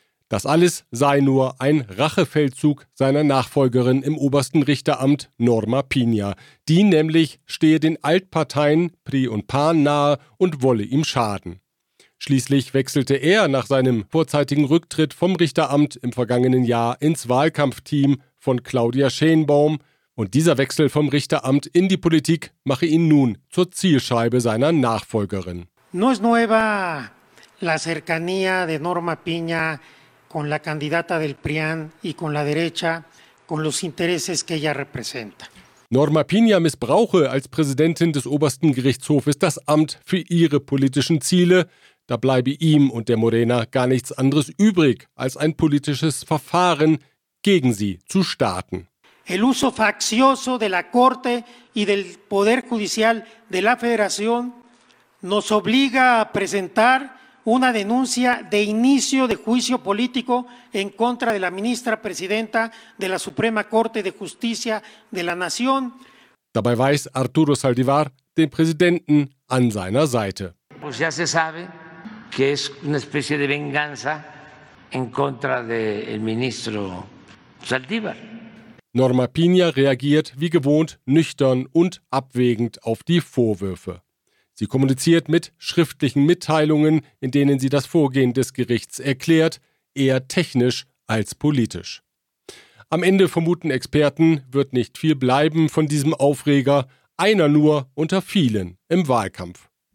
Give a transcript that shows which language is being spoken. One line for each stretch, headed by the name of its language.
German: Das alles sei nur ein Rachefeldzug seiner Nachfolgerin im obersten Richteramt Norma Piña, die nämlich stehe den Altparteien PRI und PAN nahe und wolle ihm schaden. Schließlich wechselte er nach seinem vorzeitigen Rücktritt vom Richteramt im vergangenen Jahr ins Wahlkampfteam von Claudia Sheinbaum. Und dieser Wechsel vom Richteramt in die Politik mache ihn nun zur Zielscheibe seiner Nachfolgerin.
Spanish: No es nueva la cercanía de Norma Piña con la candidata del PRIAN y con la derecha, con los intereses que ella representa.
German: Norma Piña missbrauche als Präsidentin des obersten Gerichtshofes das Amt für ihre politischen Ziele. Da bleibe ihm und der Morena gar nichts anderes übrig, als ein politisches Verfahren gegen sie zu starten.
Spanish: El uso faccioso de la Corte y del Poder Judicial de la Federación nos obliga a presentar una denuncia de inicio de juicio político en contra de la ministra presidenta de la Suprema Corte de Justicia de la Nación.
German: Dabei weiß Arturo Saldívar den Präsidenten an seiner Seite.
Spanish: Pues ya se sabe que es una especie de venganza en contra del ministro Saldívar.
German: Norma Piña reagiert wie gewohnt nüchtern und abwägend auf die Vorwürfe. Sie kommuniziert mit schriftlichen Mitteilungen, in denen sie das Vorgehen des Gerichts erklärt, eher technisch als politisch. Am Ende vermuten Experten, wird nicht viel bleiben von diesem Aufreger, einer nur unter vielen im Wahlkampf.